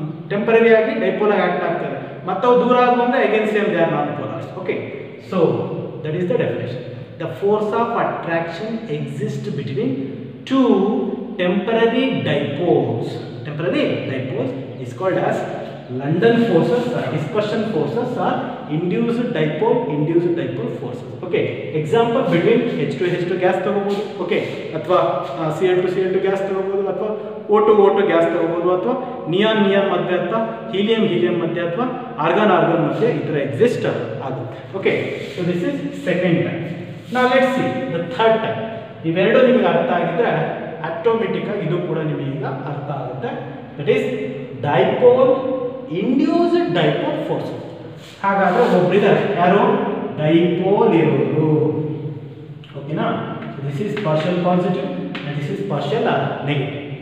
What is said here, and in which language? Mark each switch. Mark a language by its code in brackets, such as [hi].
[en] temporary ಆಗಿ dipole ಆಗಿ act [kn] ಆಗ್ತವೆ ಮತ್ತವು ದೂರ ಆಗುವಂದ್ರೆ [en] Against them they are non polars okay so that is the definition the force of attraction exist between two temporary dipoles temporary dipoles is called as London forces dispersion forces are induced dipole forces. Okay, example between H2 H2 gas [kn] ತಗೋಬಹುದು. [en] Okay, ಅಥವಾ CN2 CN2 gas ತಗೋಬಹುದು ಅಥವಾ O2 O2 gas ತಗೋಬಹುದು ಅಥವಾ neon neon ಮಧ್ಯೆ ಅಥವಾ helium helium ಮಧ್ಯೆ ಅಥವಾ argon argon [kn] ಮಧ್ಯೆ ಇತರ [en] exist [kn] ಆಗುತ್ತೆ. [en] Okay, so this is second type. Now let's see the third type. [kn] ಇವೆರಡು ನಿಮಗೆ ಅರ್ಥ ಆಗಿದ್ರೆ ಆಟೋಮೆಟಿಕ್ ಆಗಿ ಇದು ಕೂಡ ನಿಮಗೆ ಈಗ ಅರ್ಥ ಆಗುತ್ತೆ. [en] That is dipole induced dipole force. [kn] ಹಾಗಾದ್ರೆ ಒಬ್ರಿದ್ದಾರೆ ಯಾರು? ಡೈಪೋಲ್ ಇರೋರು. ಓಕೆನಾ? [en] This is partial positive, this is partial negative.